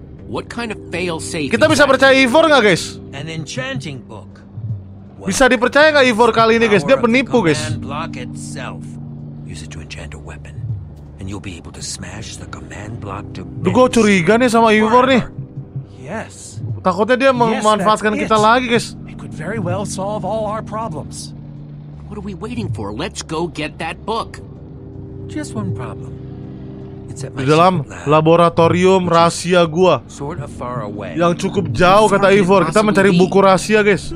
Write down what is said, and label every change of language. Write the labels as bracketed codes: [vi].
[en] What kind of failsafe? [id] Kita bisa percaya Ivor enggak, guys? [en] An enchanting book. [id] Bisa dipercaya enggak Ivor kali ini, guys? Dia penipu, guys. [en] Command block itself. Use it to enchant a weapon and you'll be able to smash the command block to bits. [id] Gua curiga nih sama Ivor nih. [en] Yes. [id] Takutnya dia memanfaatkan kita lagi, guys. [en] It could very well solve all our problems. What are we waiting for? Let's go get that book. Just one problem. It's at my [id] di dalam laboratorium [en] lab, [id] rahasia gua. [en] Sort of far away. [id] Yang cukup jauh, kata Ivor. Kita mencari buku rahasia, guys.